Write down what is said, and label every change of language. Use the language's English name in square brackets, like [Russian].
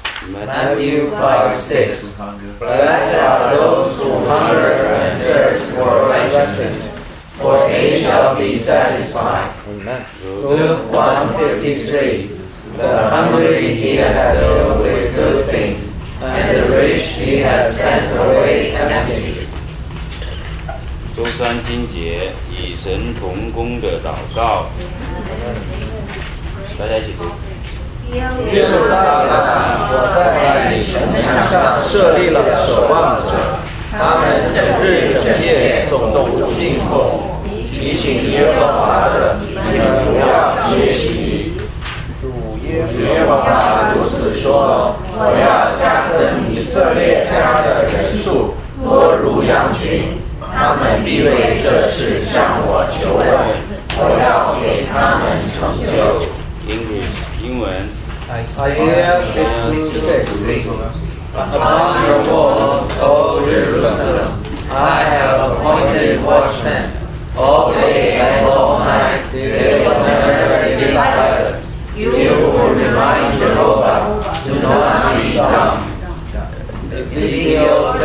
[English] Matthew 5:6 Blessed are those who hunger and thirst for righteousness, for they shall be satisfied. Luke 1:53 The hungry he has filled with good things, and the rich he has sent away empty. [Chinese] 周三经节与神同工的祷告，大家一起读。耶路撒冷，我在你城墙上设立了守望者，他们整日整夜总不进口，提醒耶和华的，你们不要歇息。主耶和华如此说：我要加增以色列家的人数，多如羊群，他们必为这事向我求问，我要给他们成就。英文。 [English] Isaiah 6:6 Upon your walls, O Jerusalem, I have appointed watchmen. All day and all night, they will never be silent. You who remind Jehovah, do not be dumb.